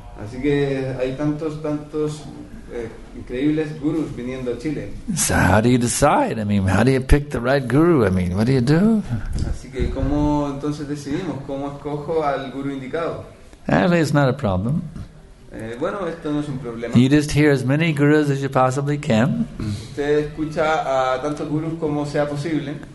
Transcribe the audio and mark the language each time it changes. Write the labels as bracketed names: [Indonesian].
[Spanish] Así que hay tantos. Increíbles gurus viniendo a Chile. [English] So how do you decide? I mean, how do you pick the right guru? I mean, what do you do? [Spanish] Así que cómo entonces decidimos cómo escojo al guru indicado. [English] Actually, it's not a problem. [Spanish] Bueno, esto no es un problema. [English] You just hear as many gurus as you possibly can. [Spanish] Usted escucha a tantos gurus como sea posible.